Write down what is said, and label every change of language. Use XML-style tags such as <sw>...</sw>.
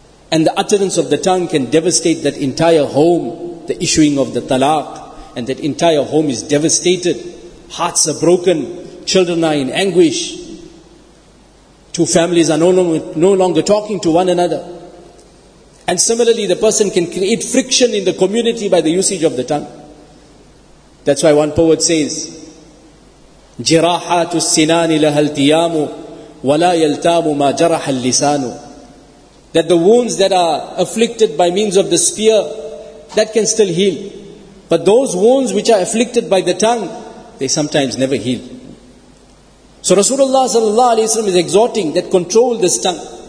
<en>And the utterance of the tongue can devastate that entire home, the issuing of the talaq, and that entire home is devastated, hearts are broken, children are in anguish. Two families are no longer talking to one another. And similarly, the person can create friction in the community by the usage of the tongue. That's why one poet says,</en> <ar>جِرَاحَةُ السِّنَانِ لَهَا الْتِيَامُ وَلَا يَلْتَامُ مَا جَرَحَ اللِّسَانُ.</ar> <en>That the wounds that are afflicted by means of the spear, that can still heal. But those wounds which are afflicted by the tongue, they sometimes never heal. So Rasulullah sallallahu alaihi wasallam is exhorting that control this tongue.</en>